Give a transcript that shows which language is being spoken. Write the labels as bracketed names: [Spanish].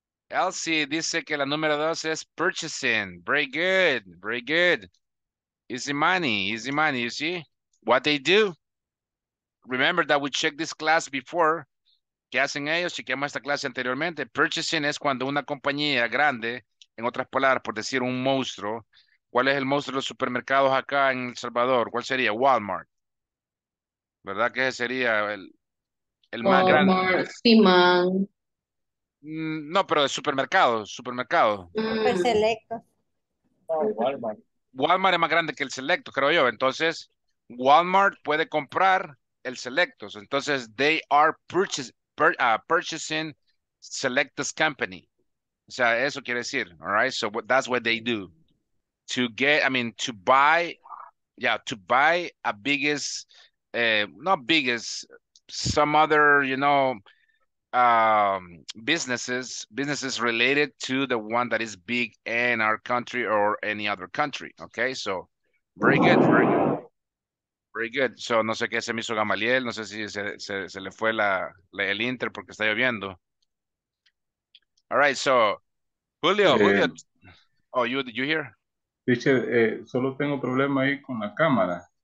[Spanish] Elsie dice que la número dos es purchasing. [English] Very good. Easy money, you see? What they do? Remember that we checked this class before. [Spanish] ¿Qué hacen ellos? Chequeamos esta clase anteriormente. Purchasing es cuando una compañía grande, en otras palabras, por decir un monstruo. ¿Cuál es el monstruo de los supermercados acá en El Salvador? ¿Cuál sería? Walmart. ¿Verdad que ese sería el más Walmart, grande? Walmart, Simón. No, pero de supermercado. El Selecto. Walmart. Walmart es más grande que el Selecto, creo yo. Entonces, Walmart puede comprar el Selecto. [English] Entonces, they are purchasing Selecto's company. [Spanish] O sea, eso quiere decir. [English] All right, so that's what they do. To buy a biggest, not biggest, some other, you know, businesses related to the one that is big in our country or any other country. Okay, so very good. [Spanish] So no sé qué se me hizo Gamaliel, no sé si se le fue el Inter porque está lloviendo. [English] All right, so Julio. Oh, you hear? [Spanish] Dice, solo tengo problema ahí con la cámara.